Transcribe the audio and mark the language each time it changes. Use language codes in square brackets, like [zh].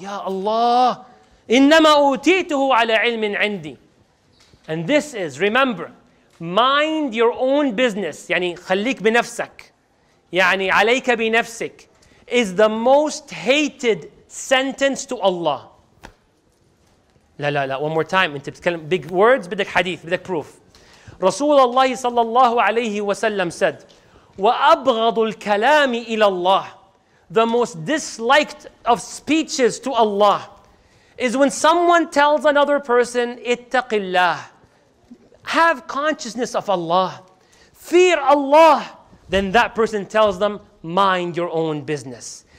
[ar] Ya Allah. إِنَّمَا أُوتِيتُهُ عَلَى عِلْمٍ عِنْدِ. [en] And this is, remember, mind your own business. [ar] يعني خليك بنفسك. يعني عليك بنفسك. [en] Is the most hated sentence to Allah. [ar] لا لا لا, [en] one more time. [ar] انت بتتكلم [en] big words, [ar] بدك حديث, بدك [en] proof. [ar] رسول الله صلى الله عليه وسلم [en] said, [ar] وأبغض الكلام إلى الله. [en] The most disliked of speeches to Allah is when someone tells another person, [ar] اتق الله. [en] Have consciousness of Allah. Fear Allah. Then that person tells them, mind your own business.